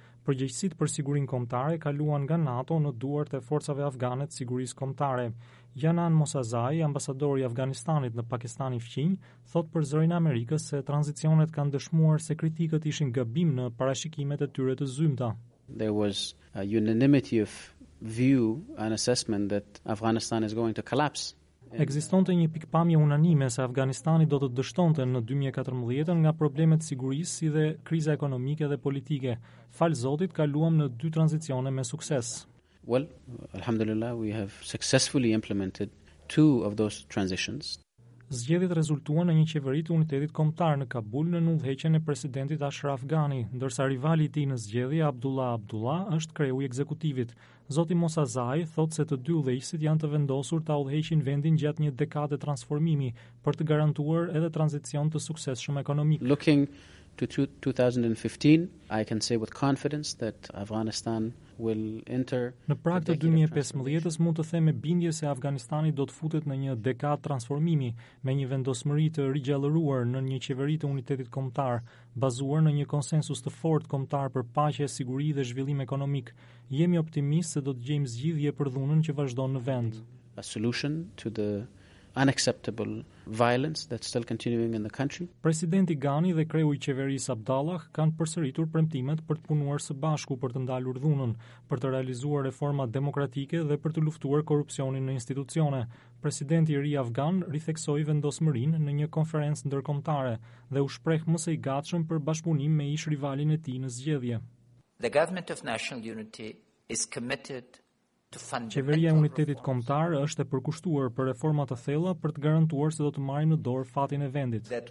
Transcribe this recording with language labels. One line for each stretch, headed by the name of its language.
Albanian: Përgjegjësitë për sigurinë kombëtare kaluan nga NATO në duart e forcave afgane të sigurisë kombëtare. Janan Mosazai, ambasador i Afganistanit në Pakistan i fqinj, thot për zërin e Amerikës se tranzicionet kanë dëshmuar se kritikët ishin gabim në parashikimet e tyre të zymta.
English: There was a unanimity of view and assessment that Afghanistan is going to collapse.
Albanian: Ekzistonte një pikpamje unanime se Afganistani do të dështonte në 2014-ën nga problemet sigurisë si dhe kriza ekonomike dhe politike. Fal Zotit, kaluam në dy tranzicione me sukses.
English: Well, alhamdulillah, we have successfully implemented two of those transitions.
Albanian: Zgjedhjet rezultuan në një qeveri të unitetit kombëtar në Kabul në ndërhyrjen e presidentit Ashraf Ghani, ndërsa rivali i tij në zgjedhje, Abdullah Abdullah, është kreu i ekzekutivit. Zoti Mosazai thotë se të dy udhëheqësit janë të vendosur ta udhëheqin vendin gjatë një dekade transformimi për të garantuar edhe tranzicion të suksesshëm ekonomik.
English: Looking to 2015, I can say with confidence that Afghanistan will enter.
Albanian: Në prag të 2015-s mund të them me bindje se Afganistani do të futet në një dekadë transformimi me një vendosmëri të rigjallëruar në një qeveri të unitetit kombëtar, bazuar në një konsensus të fortë kombëtar për paqe, siguri dhe zhvillim ekonomik. Jemi optimistë se do të gjejmë zgjidhje për dhunën që vazhdon në vend.
English: A solution to the unacceptable violence that's still continuing in the country.
Albanian: Presidenti Ghani dhe kreu i qeverisë Abdallah kanë përsëritur premtimet për të punuar së bashku për të ndalur dhunën, për të realizuar reforma demokratike dhe për të luftuar korrupsionin në institucione. Presidenti i ri afgan ritheksoi vendosmërinë në një konferencë ndërkombëtare dhe u shpreh më së i gatshëm për bashkëpunim me ish rivalin e tij në zgjedhje.
English: The government of national unity is committed.
Albanian: Qeveria e unitetit kombëtar është e përkushtuar për reforma të thella për të garantuar se do të marrë në dorë fatin e vendit.